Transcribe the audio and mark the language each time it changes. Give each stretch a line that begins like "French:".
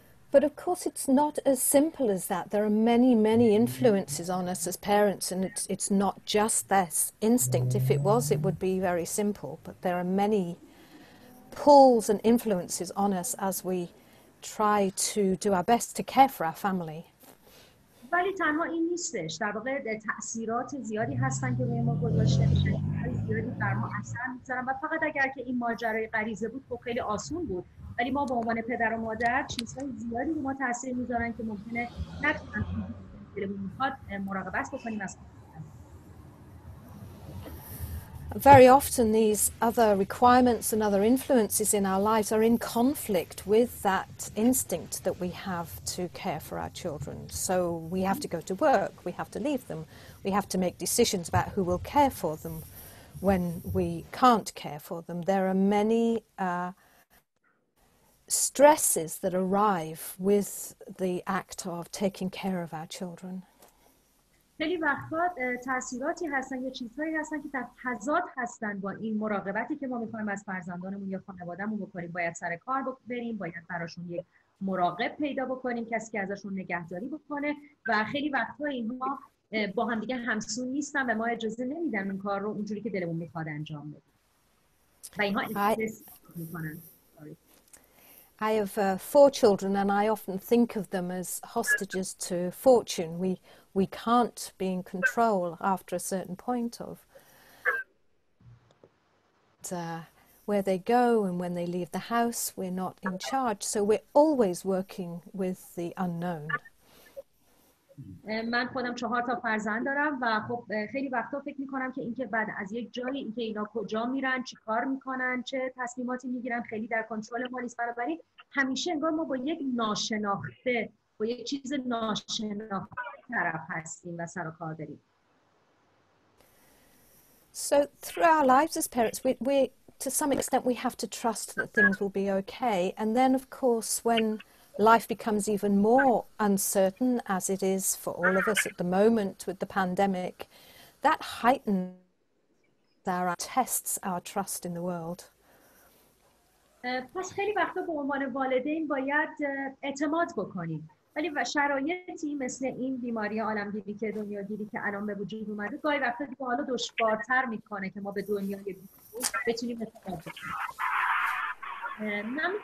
English: But of course it's not as simple as that. There are many, many influences on us as parents, and it's not just this instinct. If it was, it would be very simple. But there are many pulls and influences on us as we try to do our best to care for our family.
Persian: ولی تنها این نیستش، در واقع تأثیرات زیادی هستن که روی ما گذاشته میشن، زیادی بر ما اثر میذارن و فقط اگر که این ماجرای غریزه بود خب خیلی آسون بود، ولی ما به عنوان پدر و مادر چیزهای زیادی رو ما تأثیر میذارن که ممکنه نتونیم مراقبت بکنیم از
English: Very often these other requirements and other influences in our lives are in conflict with that instinct that we have to care for our children. So we have to go to work, we have to leave them, we have to make decisions about who will care for them when we can't care for them. There are many stresses that arrive with the act of taking care of our children.
Persian: خیلی وقتا تأثیراتی هستن یا چیزهایی هستن که در تضاد هستن با این مراقبتی که ما میخوایم از فرزندانمون یا خانوادهمون بکنیم. باید سر کار بریم، باید براشون یک مراقب پیدا بکنیم، کسی که ازشون نگهداری بکنه و خیلی وقتا اینها با هم دیگه همسو نیستن و ما اجازه نمیدن اون کار رو اونجوری که دلمون میخواد انجام بدیم و اینها استرس میکنن.
English: I have four children and I often think of them as hostages to fortune. We can't be in control after a certain point of where they go and when they leave the house, we're not in charge. So we're always working with the unknown.
Persian: من خودم چهار تا فرزند دارم و خب خیلی وقتا فکر میکنم که اینکه بعد از یک جایی اینکه اینا کجا میرن، چی کار میکنن، چه تصمیماتی میگیرن خیلی در کنترل ما نیست. بنابراین همیشه انگار ما با یک ناشناخته، با یک چیز ناشناخته طرف هستیم و سر و کار داریم.
English: So through our lives as parents, we to some extent we have to trust that things will be okay, and then of course when life becomes even more uncertain, as it is for all of us at the moment with the pandemic, that heightens our tests, our trust in the world.
Persian: پس خیلی وقتا به عنوان والدین باید اعتماد بکنیم. ولی شرایطی مثل این بیماری عالمگیری که دنیاگیری که الان به وجود اومده گاهی وقتا حالا دشوارتر میکنه که ما به دنیای بیرون بتونیم اعتماد بکنیم.